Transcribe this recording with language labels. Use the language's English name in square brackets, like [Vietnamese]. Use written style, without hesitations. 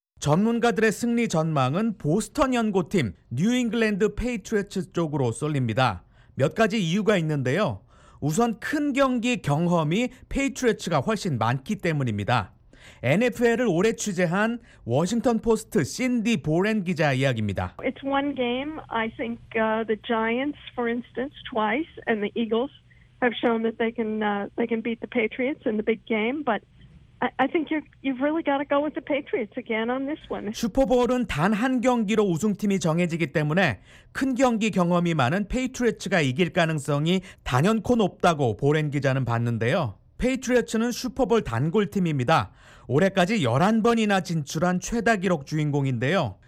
[Korean] 전문가들의 승리 전망은 보스턴 연고팀 뉴잉글랜드 페이트리어츠 쪽으로 쏠립니다. 몇 가지 이유가 있는데요. 우선 큰 경기 경험이 페이트리어츠가 훨씬 많기 때문입니다. NFL을 오래 취재한 워싱턴 포스트 신디 보렌 기자 이야기입니다. [English] It's one game. I think the Giants, for instance, twice, and the Eagles have shown that they can beat the Patriots in the big game. But I think you've really got to go with the Patriots again on this one. [Korean] 슈퍼볼은 단 한 경기로 우승팀이 정해지기 때문에 큰 경기 경험이 많은 페이트리어츠가 이길 가능성이 단연코 높다고 보렌 기자는 봤는데요. 페이트리어츠는 슈퍼볼 단골팀입니다. 올해까지 11번이나 진출한 최다 기록 주인공인데요.